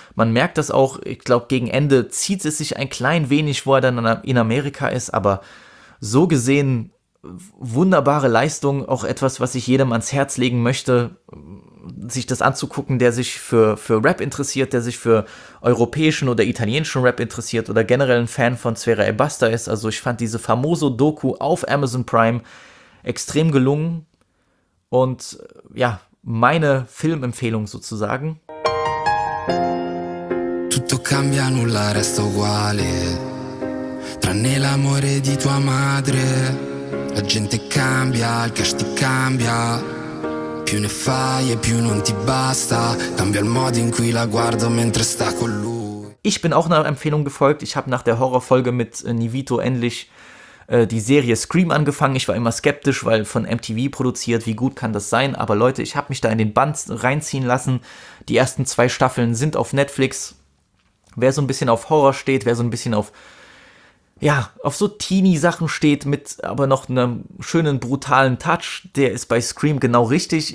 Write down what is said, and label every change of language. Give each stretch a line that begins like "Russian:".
German: Man merkt das auch, ich glaube, gegen Ende zieht es sich ein klein wenig, wo er dann in Amerika ist, aber so gesehen, wunderbare Leistung, auch etwas, was ich jedem ans Herz legen möchte, sich das anzugucken, der sich für Rap interessiert, der sich für europäischen oder italienischen Rap interessiert oder generell ein Fan von Sfera Ebbasta ist. Also ich fand diese famoso Doku auf Amazon Prime extrem gelungen. Und ja, meine Filmempfehlung sozusagen.
Italian: Tutto cambia, nulla resta uguale, tranne l'amore di tua madre. La gente cambia, il cash ti cambia, più ne fai e più non ti basta. Cambia il modo in cui la guardo mentre sta con lui.
German: Ich bin auch einer Empfehlung gefolgt. Ich habe nach der Horrorfolge mit Nivito endlich die Serie Scream angefangen. Ich war immer skeptisch, weil von MTV produziert, wie gut kann das sein? Aber Leute, ich habe mich da in den Band reinziehen lassen. Die ersten 2 Staffeln sind auf Netflix. Wer so ein bisschen auf Horror steht, wer so ein bisschen auf, ja, auf so Teenie-Sachen steht, mit aber noch einem schönen, brutalen Touch, der ist bei Scream genau richtig.